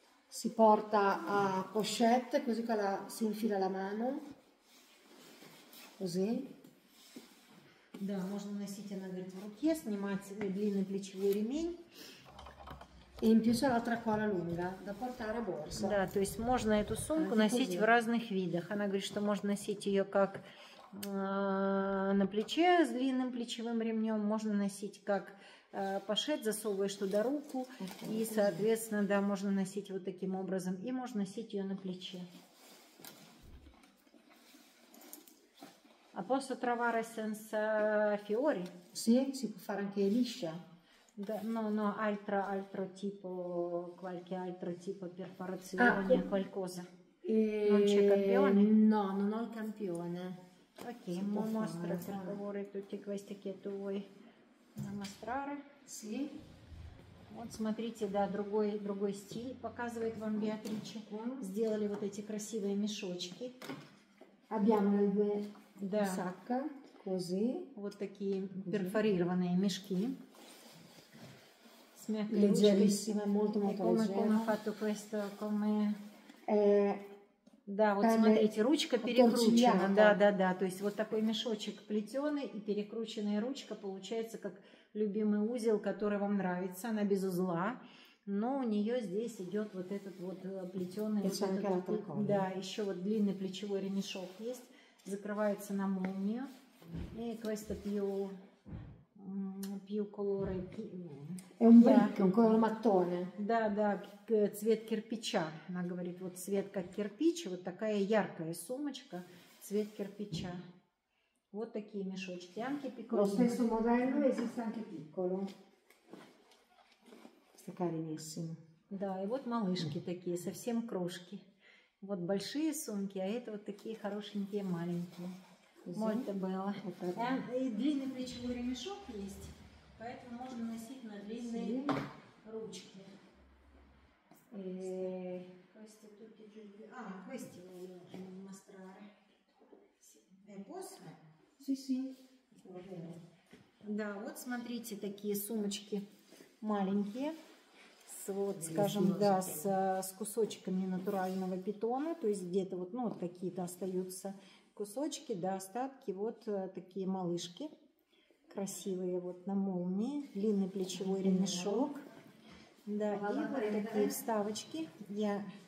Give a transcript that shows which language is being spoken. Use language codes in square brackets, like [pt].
[it] Si porta a pochette, così che si infila la mano. Così. [ru] Да, можно носить, она говорит, в руке, снимать длинный плечевой ремень. [it] In più c'è l'altra cola lunga da portare a borsa. [ru] Да, то есть можно эту сумку носить в разных видах. Она говорит, что можно носить ее как на плече с длинным плечевым ремнем, можно носить как пошет, засовываешь туда руку, и, соответственно, да, можно носить вот таким образом, и можно носить ее на плече. [it] А posso trovare senza fiori? Sì, si può fare anche liscia. [ru] Да, но [it] altro tipo, qualche altro tipo perforazione, qualcosa. Non c'è campione? No, non ho il campione. Ok, mo mostra per favore tutte queste che tu vuoi mostrare. Sì. [ru] Вот смотрите, да, другой стиль показывает вам Беатриче. Сделали вот эти красивые мешочки. [it] Abbiamo le due sacche così. [ru] Вот такие перфорированные мешки. [it] Leggerissima, molto molto leggera. Come ha fatto questo? Come? [ru] Да, вот смотрите, ручка перекручена. Да, да, да. То есть вот такой мешочек плетеный и перекрученная ручка получается как любимый узел, который вам нравится. Она без узла, но у нее здесь идет вот этот вот плетеный. Да, еще вот длинный плечевой ремешок есть, закрывается на молнию. [it] И questo più colore. È un brick, un color mattone. [ru] Да, да, цвет кирпича. Она говорит, вот цвет как кирпич, вот такая яркая сумочка, цвет кирпича. Вот такие мешочки. [it] Anche piccolo. Lo stesso modello esiste anche piccolo. Questo è carinissimo. [ru] Да, и вот малышки такие, совсем крошки. Вот большие сумки, а это вот такие хорошенькие маленькие. [it] Molto bello. [ru] И длинный плечевой ремешок есть, поэтому можно носить на длинные ручки. [it] Questo tutti giù. Ah, questi voglio mostrare. È posso? Sì, sì. [ru] Да, вот смотрите, такие сумочки маленькие, с, вот, скажем, да, с кусочками натурального питона, то есть где-то вот, ну, вот какие-то остаются кусочки, да, остатки, вот такие малышки, красивые, вот на молнии, длинный плечевой ремешок, да, и вот такие вставочки, я...